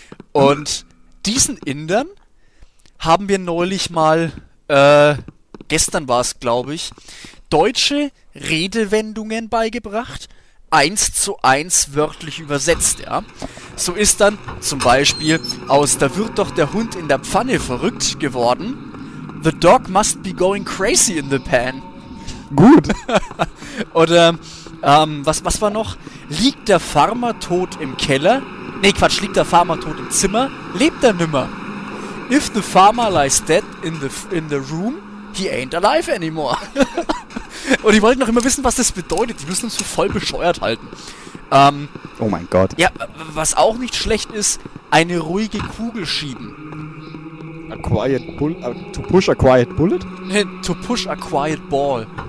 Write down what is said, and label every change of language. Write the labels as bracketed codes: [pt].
[de] Und diesen Indern haben wir neulich mal, gestern war es, glaube ich, deutsche Redewendungen beigebracht. 1:1 wörtlich übersetzt, ja. So ist dann zum Beispiel aus Da wird doch der Hund in der Pfanne verrückt geworden. [en] The dog must be going crazy in the pan. [de] Gut. Oder, was war noch? Liegt der Farmer tot im Keller? Nee, Quatsch, liegt der Farmer tot im Zimmer? Lebt er nimmer? [en] If the farmer lies dead in the room, he ain't alive anymore. [de] Und die wollten noch immer wissen, was das bedeutet. Die müssen uns für voll bescheuert halten. Oh mein Gott. Ja, was auch nicht schlecht ist, eine ruhige Kugel schieben. [en] A quiet bull. To push a quiet bullet? Nee, to push a quiet ball.